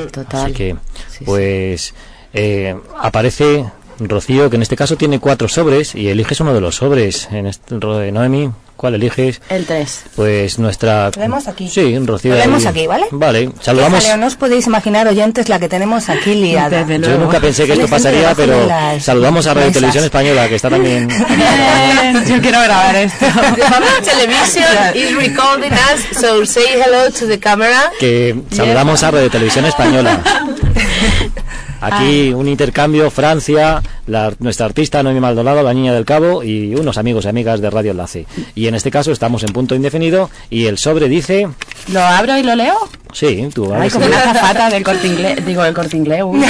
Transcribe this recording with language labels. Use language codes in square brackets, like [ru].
[es] Así que, pues, aparece Rocío, que en este caso tiene cuatro sobres, y eliges uno de los sobres, en este, Noemí, ¿Cuál eliges? El 3. Pues nuestra... Lo vemos aquí. Sí, Rocío. Lo vemos aquí, ¿vale? Vale, saludamos. Pero no os podéis imaginar, oyentes, la que tenemos aquí liada. Desde luego. Yo nunca pensé que esto pasaría, pero saludamos a Radio Televisión Española, que está también... Yo quiero grabar esto. [en] Television is recording us, so say hello to the camera. [es] Que saludamos a Radio Televisión Española. Aquí un intercambio, Francia, nuestra artista Noemí Maldonado, la Niña del Cabo, y unos amigos y amigas de Radio Enlace. Y en este caso estamos en punto indefinido y el sobre dice... ¿Lo abro y lo leo? Sí, tú abres. Ay, como una azafata del Corte Inglés, digo, el Corte Inglés.